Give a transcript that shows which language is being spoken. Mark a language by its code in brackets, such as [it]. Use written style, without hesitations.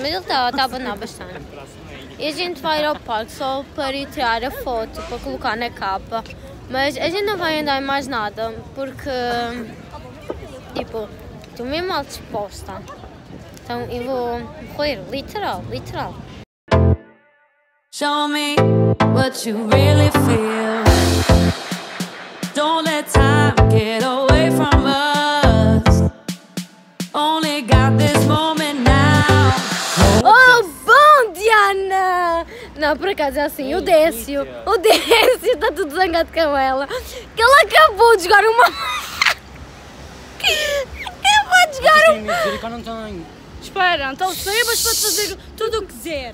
[pt] Mas ele está a abanar bastante. E a gente vai ao parque só para ir tirar a foto, para colocar na capa. Mas a gente não vai andar em mais nada, porque... Tipo, estou meio mal disposta. Então eu vou morrer, literal. [en] Show me what you really feel. Don't let time get away from us. Only got this moment now. [pt] Oh, bom, Diana! Não, por acaso é assim, o Décio. O Décio está tudo zangado com ela. Que ela acabou de jogar uma. Acabou de jogar uma. Espera, então sei, mas pode fazer tudo o que quiser.